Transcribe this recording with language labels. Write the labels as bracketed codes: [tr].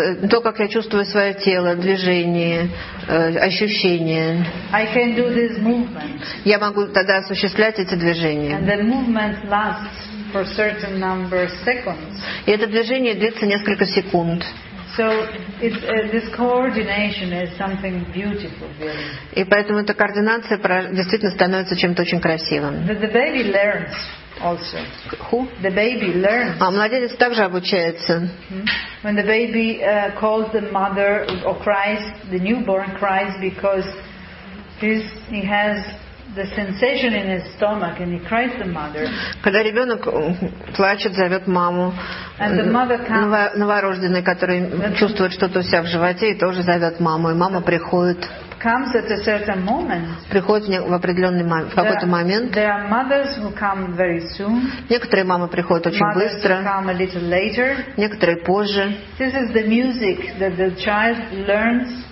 [ru] То, как я чувствую свое тело, движение, ощущения. [en] I can do this movement. [ru] Я могу тогда осуществлять эти движения. [en] And the movement lasts for certain number of seconds. [ru] И это движение длится несколько секунд. [en] So this coordination is something beautiful, really. [ru] И поэтому эта координация действительно становится чем-то очень красивым. [en] The baby learns also. Who? The baby learns. [ru] А младенец также обучается. [en] When the baby calls the mother or cries, the newborn cries because he has the sensation in his stomach and he cries the mother. [ru] Когда ребенок плачет, зовет маму. [en] And the mother comes. [ru] Новорожденный, который чувствует что-то у себя в животе, и тоже зовет маму, и мама приходит. [en] Comes at a certain moment. [ru] Приходит в определенный момент, в какой-то момент. [en] There are mothers who come very soon. [ru] Некоторые мамы приходят очень быстро. [en] Mothers come a little later. [ru] Некоторые позже. [en] This is the music that the child learns.